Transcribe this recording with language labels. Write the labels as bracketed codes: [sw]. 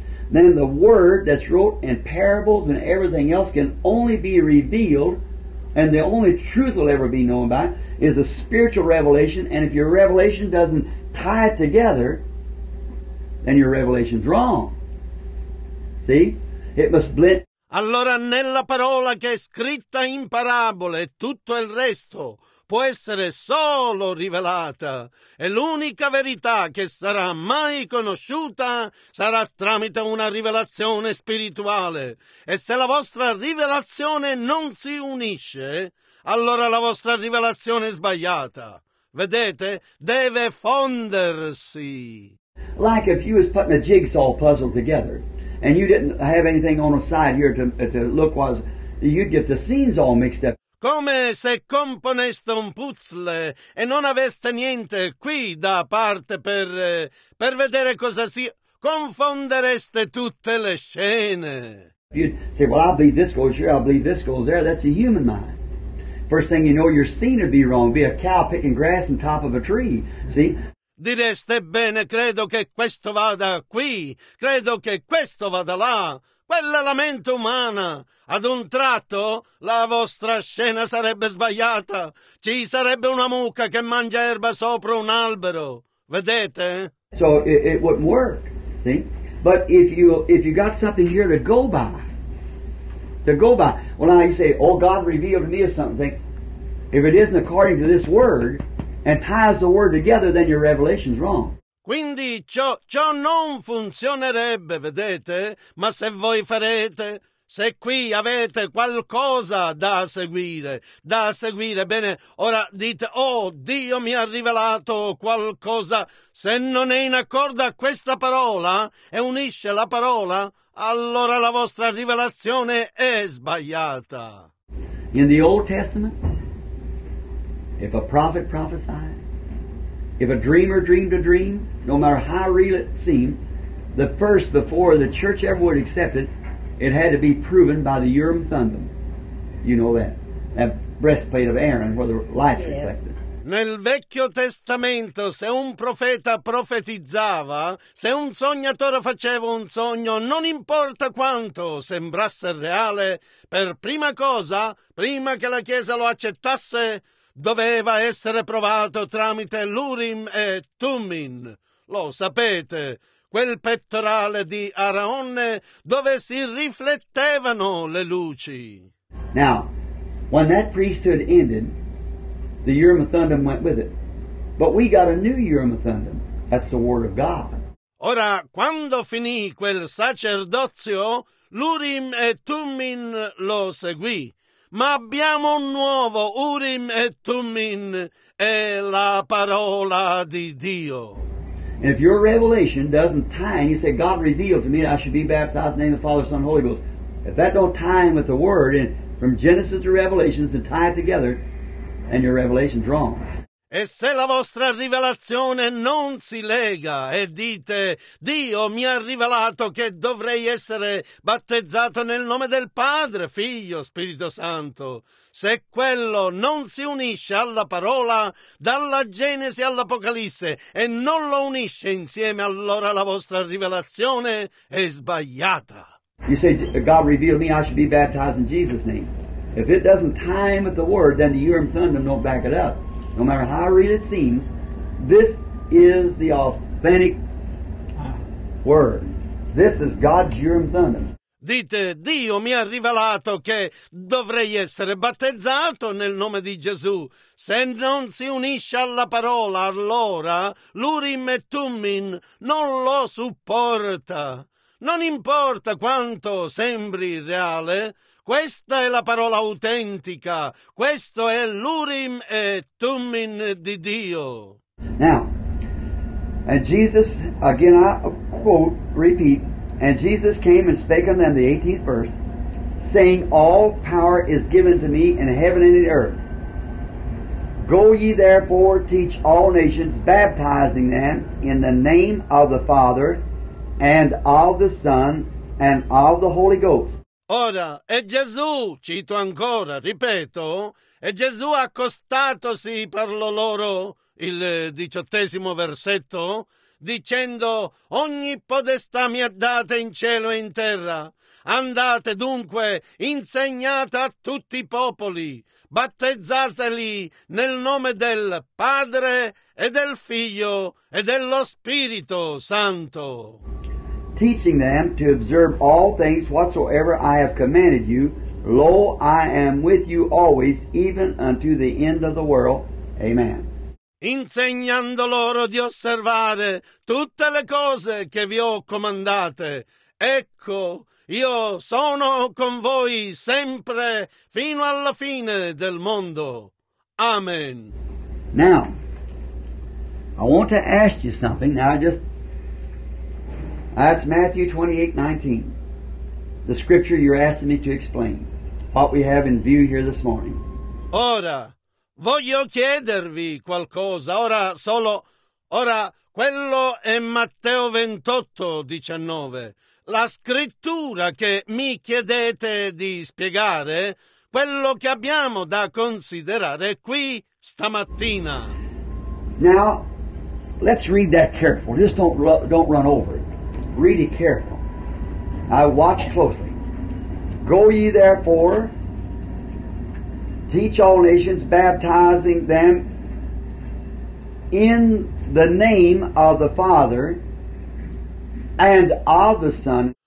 [en] Then the word that's wrote in parables and everything else can only be revealed, and the only truth will ever be known by is a spiritual revelation, and if your revelation doesn't tie it together, then your revelation's wrong. See? It must blend. [it] Allora nella parola che è scritta in parabole tutto il resto può essere solo rivelata, e l'unica verità che sarà mai conosciuta sarà tramite una rivelazione spirituale. E se la vostra rivelazione non si unisce, allora la vostra rivelazione è sbagliata. Vedete? Deve fondersi. [en] Like if you was putting a jigsaw puzzle together, and you didn't have anything on the side here to look was, you'd get the scenes all mixed up. [it] Come se componeste un puzzle e non aveste niente qui da parte per vedere cosa sia, confondereste tutte le scene. [en] You'd say, well, I believe this goes here, I believe this goes there. That's a human mind. First thing you know, your scene would be wrong. Be a cow picking grass on top of a tree. See? [it] Direste, bene, credo che questo vada qui, credo che questo vada là, quella è la mente umana. Ad un tratto la vostra scena sarebbe sbagliata, ci sarebbe una mucca che mangia erba sopra un albero, vedete? [en] So it wouldn't work, see? But if you got something here to go by, well now you say, oh God revealed to me something, if it isn't according to this word, and ties the word together, then your revelation's wrong. [it] Quindi ciò non funzionerebbe, vedete? Ma se voi farete, Se qui avete qualcosa da seguire, bene, ora dite, oh, Dio mi ha rivelato qualcosa. Se non è in accordo a questa parola e unisce la parola, allora la vostra rivelazione è sbagliata. [en] In the Old Testament, if a prophet prophesied, if a dreamer dreamed a dream, no matter how real it seemed, the first before the church ever would accept it, it had to be proven by the Urim Thummim. You know that. That breastplate of Aaron where the light's reflected. [it] Nel Vecchio Testamento, se un profeta profetizzava, se un sognatore faceva un sogno, non importa quanto sembrasse reale, per prima cosa, prima che la Chiesa lo accettasse, doveva essere provato tramite l'Urim e Thummim. Lo sapete, quel pettorale di Araone dove si riflettevano le luci. [en] Now, when that priesthood ended, the Urim and Thummim went with it. But we got a new Urim and Thummim. That's the Word of God. [it] Ora, quando finì quel sacerdozio, l'Urim e Thummim lo seguì. Ma abbiamo un nuovo Urim e Thummim, è la parola di Dio. [en] And if your revelation doesn't tie in, you say, God revealed to me that I should be baptized in the name of the Father, Son, and Holy Ghost. If that don't tie in with the Word, and from Genesis to Revelations, and tie it together, then your revelation's wrong. [it] E se la vostra rivelazione non si lega e dite, Dio mi ha rivelato che dovrei essere battezzato nel nome del Padre, Figlio, Spirito Santo. Se quello non si unisce alla parola, dalla Genesi all'Apocalisse, e non lo unisce insieme, allora la vostra rivelazione è sbagliata. [en] You say, God revealed me, I should be baptized in Jesus' name. If it doesn't tie in with the Word, then the Urim Thummim don't back it up. No matter how real it seems, this is the authentic Word. This is God's Urim Thummim. [it] Dite, Dio mi ha rivelato che dovrei essere battezzato nel nome di Gesù. Se non si unisce alla parola, allora l'Urim e Thummim non lo supporta. Non importa quanto sembri reale, questa è la parola autentica. Questo è l'Urim e Thummim di Dio. [en] Now, and Jesus, again I quote, repeat, and Jesus came and spake unto them, the 18th verse, saying, all power is given to me in heaven and in earth. Go ye therefore, teach all nations, baptizing them in the name of the Father, and of the Son, and of the Holy Ghost. [it] Ora, e Gesù, cito ancora, ripeto, e Gesù accostatosi parlò loro, il 18° versetto, dicendo, ogni podestà mi è data in cielo e in terra. Andate dunque, insegnate a tutti i popoli, battezzateli nel nome del Padre e del Figlio e dello Spirito Santo. [en] Teaching them to observe all things whatsoever I have commanded you. Lo, I am with you always, even unto the end of the world. Amen. [it] Insegnando loro di osservare tutte le cose che vi ho comandate. Ecco, io sono con voi sempre fino alla fine del mondo. Amen. [en] Now, I want to ask you something. Now, that's Matthew 28:19, the scripture you're asking me to explain, what we have in view here this morning. [it] Ora, voglio chiedervi qualcosa, ora quello è Matteo 28:19, la scrittura che mi chiedete di spiegare, quello che abbiamo da considerare qui stamattina. [en] Now, let's read that carefully, just don't run over it. Read it carefully. I watch closely. Go ye therefore, teach all nations, baptizing them in the name of the Father and of the Son.